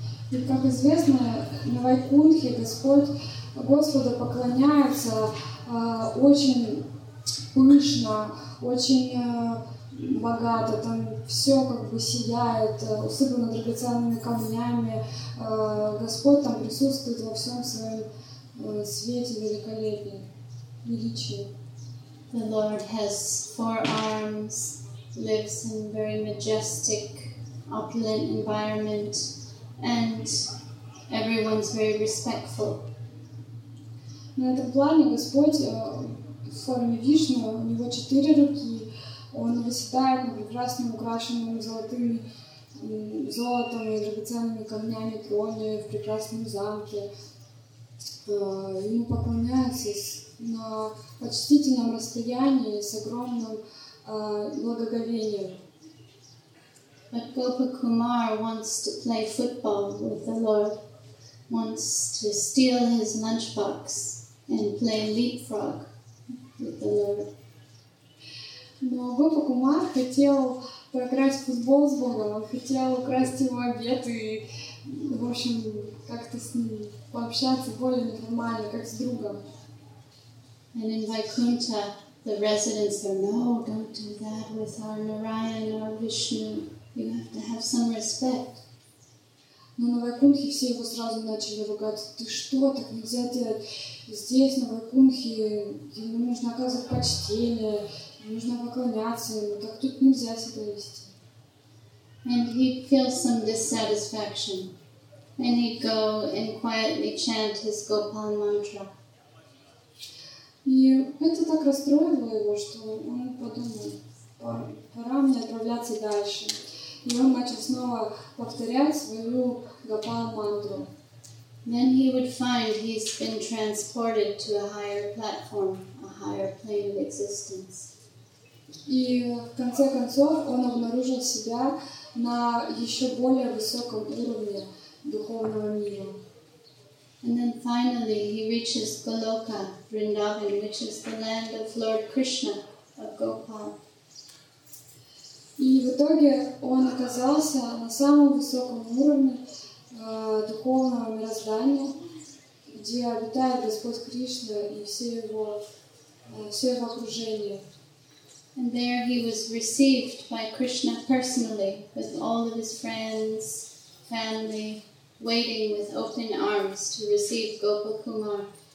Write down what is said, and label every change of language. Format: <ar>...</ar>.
<ru>И как известно, на Вайкунтхе Господь Господа поклоняется очень пышно, очень богато, там все как бы сияет, усыпано драгоценными камнями, Господь там присутствует во всем своем свете великолепии, величии.</ru> <en>The Lord has four arms, lives in very majestic, opulent environment, and everyone's very respectful.</en> <ru>На этом плане Господь в форме Вишну, у него четыре руки. Он восседает на прекрасном украшенном золотыми золотом и драгоценными камнями троне в прекрасном замке. Ему поклоняются на почтительном расстоянии с огромным благоговением.</ru> <en>But Gopakumar wants to play football with the Lord, wants to steal his lunchbox and play leapfrog with the Lord.</en> <ru>Но Гопакумар хотел поиграть в футбол с Богом, он хотел украсть его обед и, в общем, как-то с ним пообщаться более неформально, как с другом.</ru> <en>And in Vaikuntha, the residents are, no, don't do that with our Narayan or Vishnu. You have to have some respect.</en> <ru>Но на Вайкунтхе все его сразу начали ругать. Ты что, так нельзя делать? Здесь, на Вайкунтхе, ему нужно оказывать почтение. Нужно поклоняться ему, так тут нельзя себя вести.</ru> <en>And he feels some dissatisfaction. And he'd go and quietly chant his Gopal mantra.</en> <ru>И это так расстроило его, что он подумал, пора мне отправляться дальше. И он начал снова повторять свою Гопал мантру.</ru> <en>Then he would find he's been transported to a higher platform, a higher plane of existence.</en> <ru>И в конце концов он обнаружил себя на еще более высоком уровне духовного мира.</ru> <en>And then finally he reaches Goloka Vrindavan, which is the land of Lord Krishna, of Gopal.</en> <ru>И в итоге он оказался на самом высоком уровне духовного мироздания, где обитает Господь Кришна и все его окружение.</ru> <en>And there he was received by Krishna personally, with all of his friends, family, waiting with open arms to receive Gopakumar.</en>